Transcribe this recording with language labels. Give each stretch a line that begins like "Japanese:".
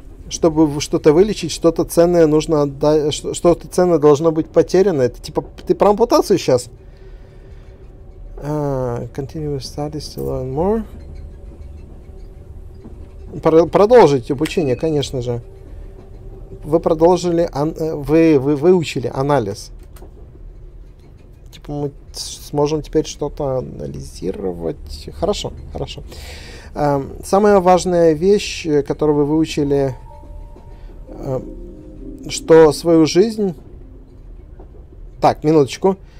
Russian: Чтобы что-то вылечить, что-то ценное нужно отдать, что-то ценное должно быть потеряно. Это типа, ты про ампутацию сейчас?
English: Continue studies to learn more.
Russian: Продолжить обучение, конечно же. Вы продолжили, вы выучили анализ. Типа мы сможем теперь что-то анализировать. Хорошо, хорошо. Самая важная вещь, которую вы выучили, что свою жизнь... Так, минуточку.